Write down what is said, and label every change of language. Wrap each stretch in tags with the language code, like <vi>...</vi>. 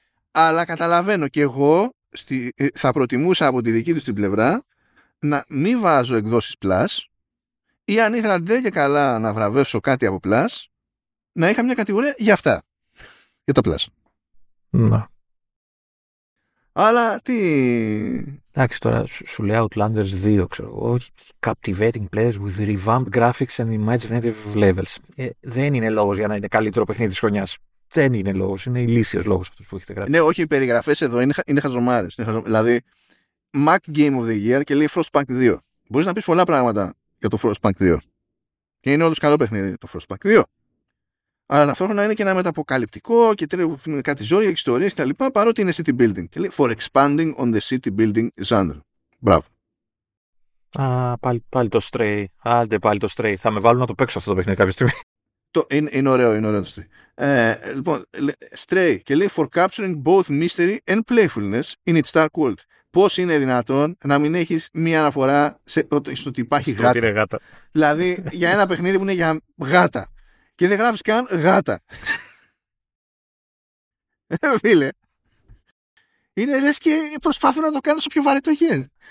<el>Αλλά καταλαβαίνω και εγώ, θα προτιμούσα από τη δική του την πλευρά, να μην βάζω εκδόσεις Plus, ή αν ήθελα δεν και καλά να βραβεύσω κάτι από Plus, να είχα μια κατηγορία για αυτά, για τα Plus. Να. Αλλά τι. Εντάξει, τώρα σου λέει Outlanders 2, ξέρω εγώ.</el> <en>Captivating players with revamped graphics and imaginative levels.</en> <el>Δεν είναι λόγος για να είναι καλύτερο παιχνίδι της χρονιάς. Δεν είναι λόγος. Είναι ηλίθιος λόγος αυτός που έχετε γράψει. Ναι, όχι, οι περιγραφές εδώ είναι χαζομάρες. Δηλαδή, Mac Game of the Year και λέει Frostpunk 2. Μπορείς να πεις πολλά πράγματα για το Frostpunk 2. Και είναι όντως καλό παιχνίδι το Frostpunk 2. Αλλά ταυτόχρονα είναι και ένα μεταποκαλυπτικό και τρέχει κάτι ζόρια, ιστορίες και τα λοιπά, παρότι είναι city building. Και λέει,</el> <en>for expanding on the city building genre.</en> <el>Μπράβο. Α, πάλι το Stray. Άντε πάλι το Stray. Θα με βάλουν να το παίξω αυτό το παιχνίδι κάποια στιγμή. Είναι ωραίο το Stray. Λοιπόν, Stray. Και λέει,</el> <en>for capturing both mystery and playfulness in its dark world.</en> <el>Πώς είναι δυνατόν να μην έχεις μία αναφορά στο ότι υπάρχει γάτα. Είναι γάτα. Δηλαδή, για ένα παιχνίδι που είναι για γάτα. Και δεν γράφεις καν γάτα. Φίλε. Είναι λες και προσπαθούν να το κάνεις όσο πιο βαρύτο γίνεται.</el>